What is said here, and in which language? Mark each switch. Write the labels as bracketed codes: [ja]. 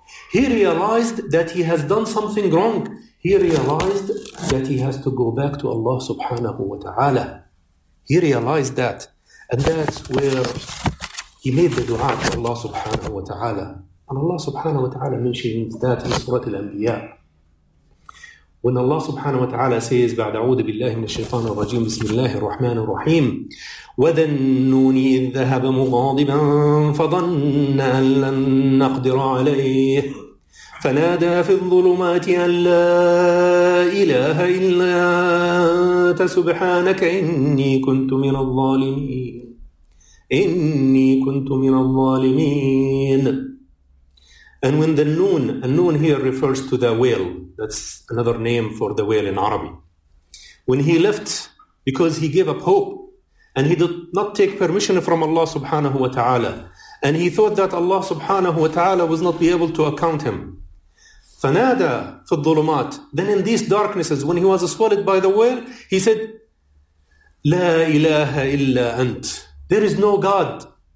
[en] He realized that he has done something wrong. He realized that he has to go back to Allah subhanahu wa ta'ala. He realized that. And that's where he made the dua to Allah subhanahu wa ta'ala. And Allah subhanahu wa ta'ala mentions that in Surah Al-Anbiya. When Allah subhanahu wa ta'ala says, [ar] بعد أعوذ بالله من الشيطان الرجيم بسم الله الرحمن الرحيم وذنوني إذ ذهب مغاضبا فظن أن لن نقدر عليه فنادى في الظلمات أن لا إله إلا أنت سبحانك إني كنت من الظالمين [en] And when the noon, and noon here refers to the whale, that's another name for the whale in Arabic. When he left, because he gave up hope, and he did not take permission from Allah subhanahu wa ta'ala, and he thought that Allah subhanahu wa ta'ala was not be able to account him. [ar] فَنَادَى فِي الظُّلُمَاتِ [en] Then in these darknesses, when he was swallowed by the whale, he said, [ar] لَا إِلَهَ إِلَّا أَنْتِ [en] There is no God.